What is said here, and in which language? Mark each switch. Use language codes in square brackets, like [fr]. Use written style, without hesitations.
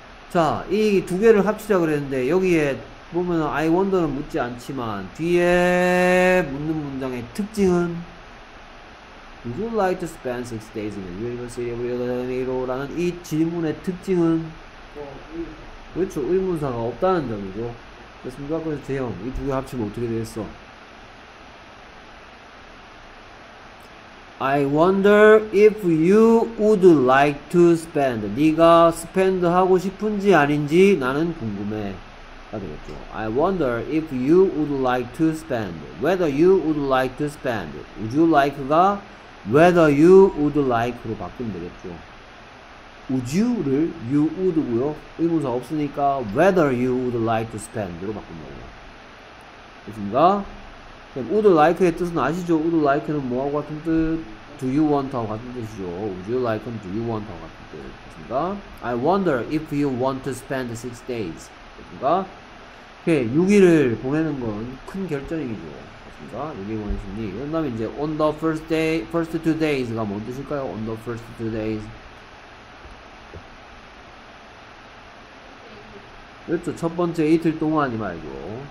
[ko] 자, 이 두 개를 합치자 그랬는데 여기에 보면 I wonder는 묻지 않지만 뒤에 묻는 문장의 특징은 [en] Would you like to spend 6 days in a different city of Rio de Janeiro? [ko] 라는 이 질문의 특징은 그렇죠. 의문사가 없다는 점이죠. 됐습니까? 그래서 대형 이 두 개 합치면 어떻게 되겠어? [en] I wonder if you would like to spend. [ko] 네가 spend 하고 싶은지 아닌지 나는 궁금해. 되겠죠. [en] I wonder if you would like to spend. Whether you would like to spend. Would you like가 whether you would like로 [ko] 바꾸면 되겠죠. [en] Would you를 you would고요. [ko] 의문사 없으니까 [en] whether you would like to spend로 [ko] 바꾸면 되겠죠. 그렇습니까? Would like의 뜻은 아시죠? Would like는 뭐하고 같은 뜻? [en] Do you want [ko] 하고 같은 뜻이죠. Would you like는 do you want 하고 같은 뜻. 그렇습니까? [en] I wonder if you want to spend 6 days. [ko] 그렇습니까? 이렇게 6일을 보내는 건 큰 결정이죠. 그렇습니까? 6일 보내십니. 그 다음에 이제 [en] on the first day, first 2 days [ko] 가 뭔 뜻일까요? [en] On the first 2 days. [ko] 그렇죠. 첫 번째 이틀 동안이 말이죠.